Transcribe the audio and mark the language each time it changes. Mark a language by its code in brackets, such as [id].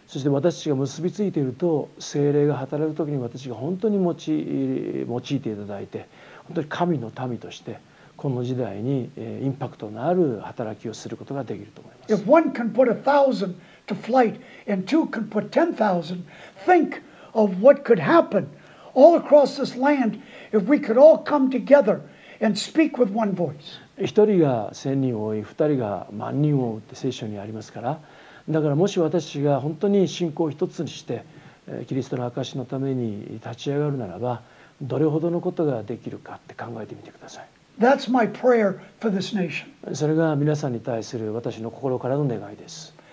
[ja] そして私たちが結びついていると聖霊が働くときに、私たちが本当に用いていただいて、本当に神の民としてこの時代にインパクトのある働きをすることができると思います。 [en] If one can put a thousand to flight and two can put 10,000, think of what could happen all across this land if we could all come together and speak with one voice. [ja] 1人が千人を追い、2人が万人を追うって聖書にありますから、だからもし私が本当に信仰を一つにしてキリストの証のために立ち上がるならば、どれほどのことができるかって考えてみてください。 [en] That's my prayer for this nation. [ja] それが皆さんに対する私の心からの願いです。